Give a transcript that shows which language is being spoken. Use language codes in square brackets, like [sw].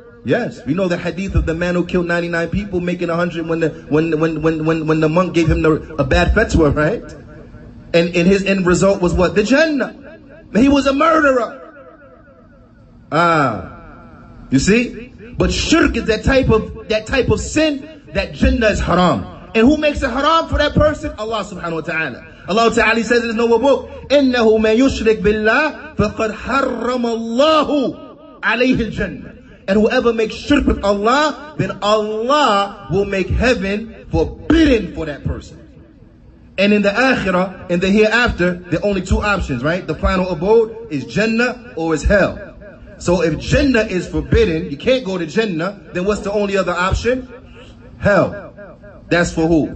[en] Yes, we know the hadith of the man who killed 99 people, making 100 when the monk gave him a bad fatwa, right? And his end result was what? The Jannah. He was a murderer. You see? But shirk is that type of sin that Jannah is haram. And who makes it haram for that person? Allah subhanahu wa ta'ala. Allah ta'ala says in his noble book, [ar] إِنَّهُ مَن يُشْرِكْ بِاللَّهِ فَقَدْ حَرَّمَ اللَّهُ عَلَيْهِ الْجَنَّةِ. [en] And whoever makes shirk with Allah, then Allah will make heaven forbidden for that person. And in the akhirah, in the hereafter, there are only two options, right? The final abode is Jannah or is hell. So if Jannah is forbidden, you can't go to Jannah, then what's the only other option? Hell. That's for who?